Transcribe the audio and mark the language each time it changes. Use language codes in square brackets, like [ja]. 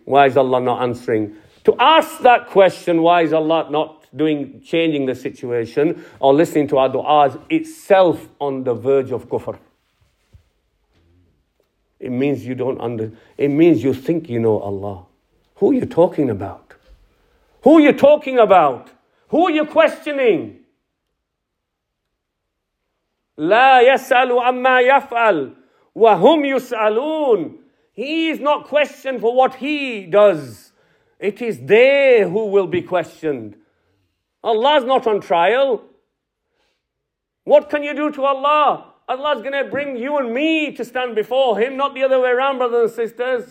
[en] Why is Allah not answering? To ask that question, why is Allah not changing the situation or listening to our du'as, itself on the verge of kufr. It means you don't understand. It means you think you know Allah. Who are you talking about? Who are you talking about? Who are you questioning? [ar] لا يسأل عما يفعل وهم يسألون. [en] He is not questioned for what he does. It is they who will be questioned. Allah is not on trial. What can you do to Allah? Allah is going to bring you and me to stand before Him, not the other way around, brothers and sisters.